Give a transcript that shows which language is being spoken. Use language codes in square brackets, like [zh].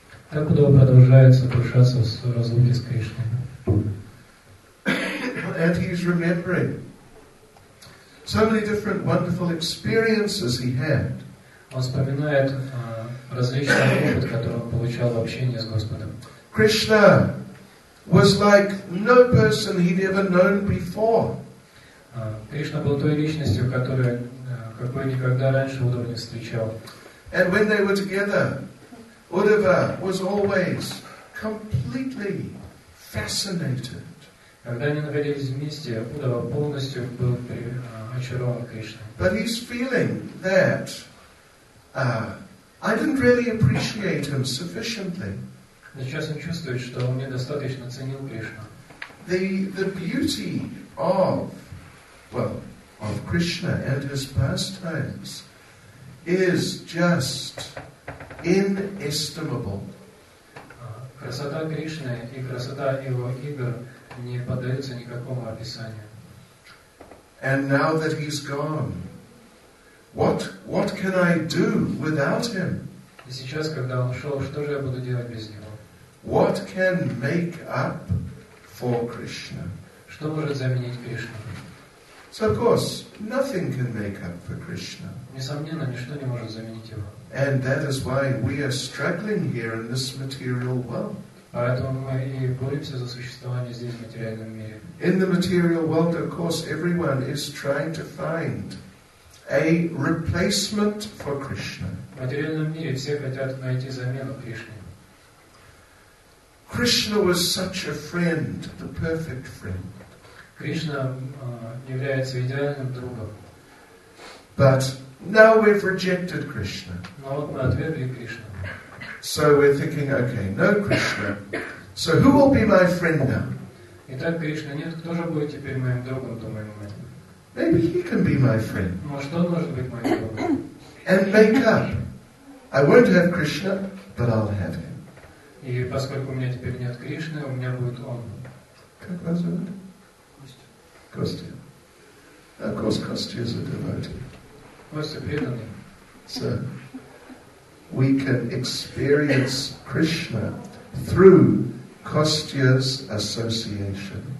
[ru] Так Uddhava продолжает сокрушаться в разлуке с Кришной. [en] And he's remembering so many different wonderful experiences he had. [ru] Он вспоминает различные опыты, которые он получал в общении с Господом. [en] Krishna was like no person he'd ever known before. [ru] Кришна был той личностью, которую какой никогда раньше Удва не встречал. [en] And when they were together, Uddhava was always completely fascinated. [ru] Когда они находились вместе, Удва полностью был очарован Кришной. [en] But he's feeling that I didn't really appreciate him sufficiently. [ru] Сейчас он чувствует, что он недостаточно ценил Кришну. [en] The beauty of, well, of Krishna and his pastimes is just inestimable. [ru] Красота Кришны и красота его игр не поддаются никакому описанию. [en] And now that he's gone, what can I do without him? [ru] И сейчас, когда он ушел, что же я буду делать без него? [en] What can make up for Krishna? [ru] Что может заменить Кришну? [en] So of course, nothing can make up for Krishna. [ru] Несомненно, ничто не может заменить его. [en] And that is why we are struggling here in this material world. [ru] Поэтому мы и боремся за существование здесь, в материальном мире. [en] In the material world, of course, everyone is trying to find a replacement for Krishna. [ru] В материальном мире все хотят найти замену Кришне. [en] Krishna was such a friend, the perfect friend. [ru] Кришна является идеальным другом. [en] But now we've rejected Krishna. [ru] Но вот мы отвергли Кришну. [en] So we're thinking, okay, no Krishna. So who will be my friend now? [ru] Итак, Кришна нет, кто же будет теперь моим другом, думаем мы. [en] Maybe he can be my friend. [ru] Может, он может быть моим другом. [en] And make up. I won't have Krishna, but I'll have him. [ru] И поскольку у меня теперь нет Кришны, у меня будет он. Как вас зовут? Костя. [en] Костя. Of course, Костя is a devotee. [ru] Костя преданный. [en] So, we can experience Krishna through Костя's association.